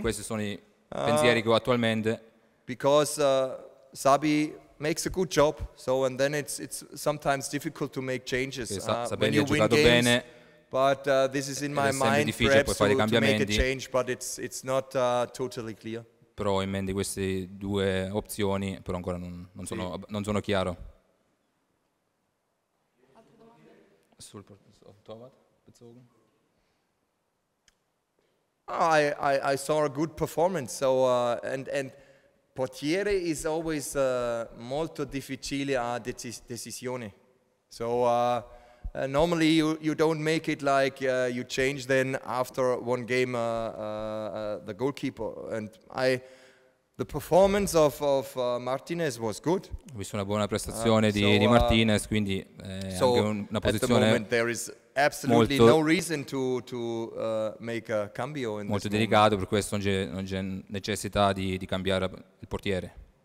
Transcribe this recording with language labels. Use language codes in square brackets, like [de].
[it] questi sono i pensieri che ho attualmente. [en] Because Sabi makes a good job, so and then it's sometimes difficult to make changes when you win games. Bene, but this is in my mind, perhaps to make a change, but it's not totally clear. [it] Però in mente queste due opzioni, però ancora non sono sì. Non sono chiaro. [de] Sul Torwart bezogen. [en] I saw a good performance, so and portiere is always [it] molto difficile a decisione. [en] So normally you don't make it like you change then after one game the goalkeeper, and the performance of Martinez was good. [it] Ho visto una buona prestazione di Martinez, quindi [en] so [it] anche una posizione [en] at the moment, there is [it] molto [en] no reason to make a cambio in [it] molto delicato, per questo non c'è necessità di cambiare il portiere.